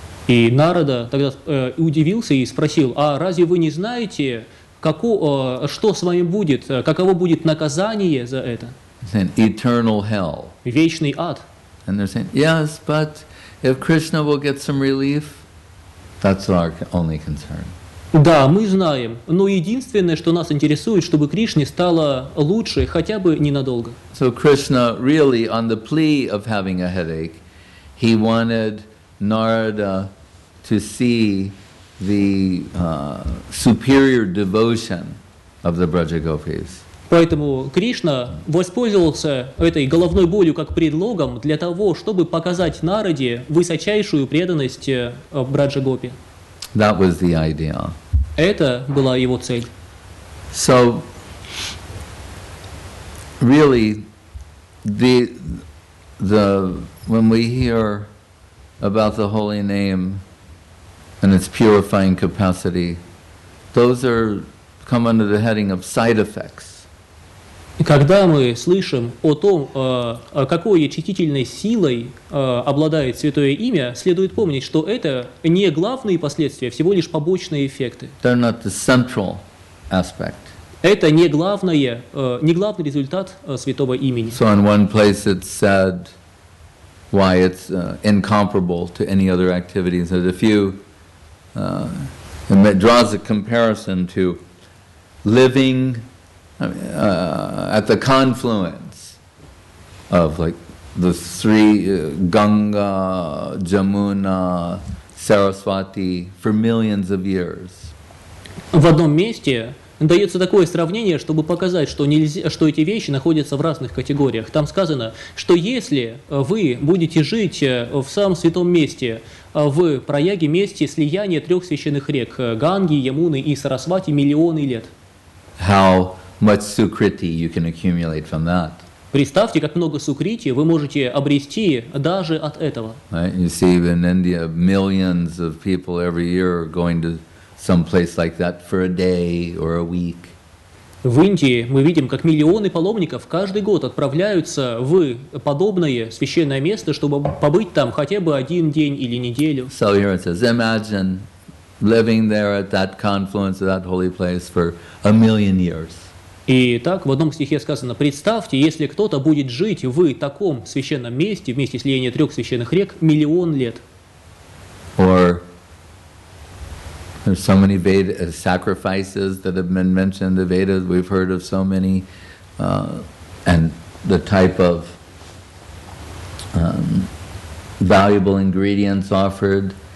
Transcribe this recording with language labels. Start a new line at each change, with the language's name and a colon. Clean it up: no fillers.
Russian: И Нарада тогда удивился и спросил, а разве вы не знаете, что с вами будет, каково будет наказание за это?
English: Saying, eternal hell.
Russian: Вечный ад.
English: And they're saying, yes, but if Krishna will get some relief, That's our only concern.
Russian: Да, мы знаем, но единственное, что нас интересует, чтобы Кришне стало лучше хотя бы ненадолго.
English: So Krishna really, on the plea of having a headache, he wanted Narada to see the superior devotion of the Braja Gopis.
Russian: Поэтому Кришна воспользовался этой головной болью как предлогом для того, чтобы показать Нараде высочайшую преданность Браджа Гопи.
English: That was the idea.
Russian: Это была его цель.
English: So, really, when we hear about the holy name and its purifying capacity, those are come under the heading of side effects.
Russian: Когда мы слышим о том, какой очистительной силой обладает Святое Имя, следует помнить, что это не главные последствия, всего лишь побочные эффекты.
English: They're not the central aspect.
Russian: Это не главное, не главный результат Святого Имени.
English: So in one place it said why it's incomparable to any other activities. So if you it draws a comparison to living at the confluence of like the three Ganga, Jamuna, Saraswati for millions of years.
Russian: В одном месте дается такое сравнение, чтобы показать, что нельзя, что эти вещи находятся в разных категориях. Там сказано, что если вы будете жить в самом святом месте, в Праяге, месте слияния трех священных рек Ганги, Ямуны и Сарасвати миллионы лет.
English: How much sukriti you can accumulate from that?
Russian: Представьте, как много сукрити вы можете обрести даже от этого.
English: Right? You see, in India, millions of people every year are going to some place like that for a day or a week.
Russian: В Индии мы видим, как миллионы паломников каждый год отправляются в подобное священное место, чтобы побыть там хотя бы один день или неделю.
English: So here it says, imagine living there at that confluence of that holy place for a million years.
Russian: И так в одном стихе сказано: представьте, если кто-то будет жить в таком священном месте, в месте слияния трех священных рек, миллион лет.
English: Or there's so many Veda sacrifices that have been mentioned in the Vedas. We've heard of so many, and the type of valuable ingredients offered.